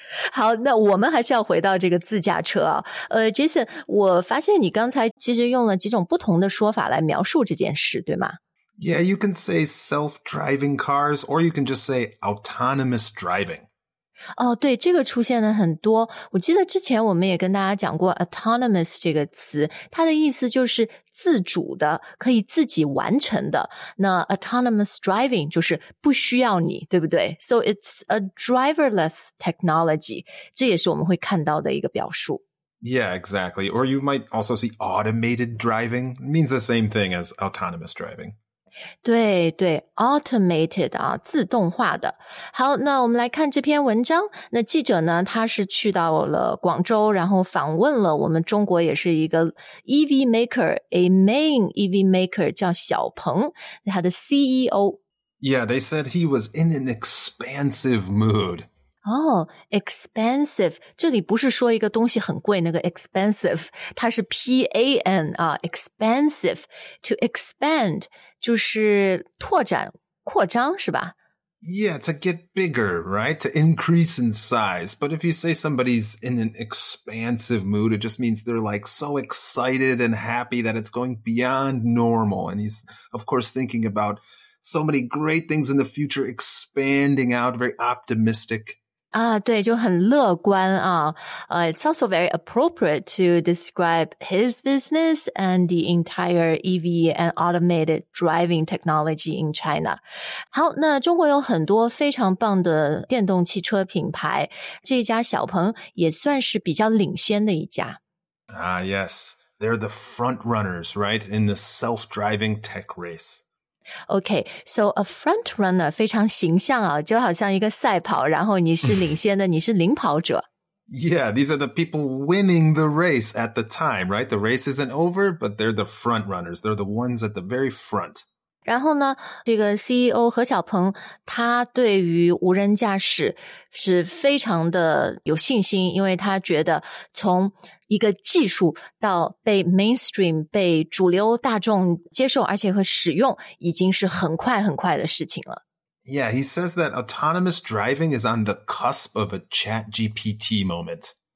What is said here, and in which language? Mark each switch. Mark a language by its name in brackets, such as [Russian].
[Chinese] 好，那我们还是要回到这个自驾车啊。Jason， 我发现你刚才其实用了几种不同的说法来描述这件事，对吗？ [English] Yeah, you can say self-driving cars, or you can just say autonomous driving. [Chinese] 哦，对，这个出现了很多。我记得之前我们也跟大家讲过 autonomous 这个词，它的意思就是自主的，可以自己完成的。那 autonomous driving 就是不需要你，对不对？ [English] So it's a driverless technology. [Chinese] 这也是我们会看到的一个表述。 [English] Yeah, exactly. Or you might also see automated driving. It means the same thing as autonomous driving. [Chinese] 对对 automated 啊，自动化的。好，那我们来看这篇文章。那记者呢，他是去到了广州，然后访问了我们中国也是一个 [English] EV maker， a main EV maker [Chinese] 叫小鹏，他的 CEO。 [English] Yeah, they said he was in an expansive mood. Oh, expansive. [Chinese] 这里不是说一个东西很贵，那个 expansive， 它是 P-A-N 啊 ， [English] expansive to expand. [Chinese] 就是拓展、扩张是吧？ [English] Yeah, to get bigger, right? To increase in size. But if you say somebody's in an expansive mood, it just means they're like so excited and happy that it's going beyond normal. And he's, of course, thinking about so many great things in the future, expanding out, very optimistic. [Chinese] 对，就很乐观啊。 [English] It's also very appropriate to describe his business and the entire EV and automated driving technology in China. [Chinese] 好，那中国有很多非常棒的电动汽车品牌，这一家小鹏也算是比较领先的一家。 [English] Yes, they're the front runners, right, in the self-driving tech race. Okay, so a front runner [Chinese] 非常形象啊，就好像一个赛跑，然后你是领先的，你是领跑者。 [English] Yeah, these are the people winning the race at the time, right? The race isn't over, but they're the front runners. They're the ones at the very front. [Chinese] 然后呢，这个 CEO 何小鹏，他对于无人驾驶是非常的有信心，因为他觉得从一个技术到被 mainstream 被主流大众接受而且会使用已经是很快很快的事情了。 [English] Yeah, he says that autonomous driving is on the cusp of a ChatGPT moment.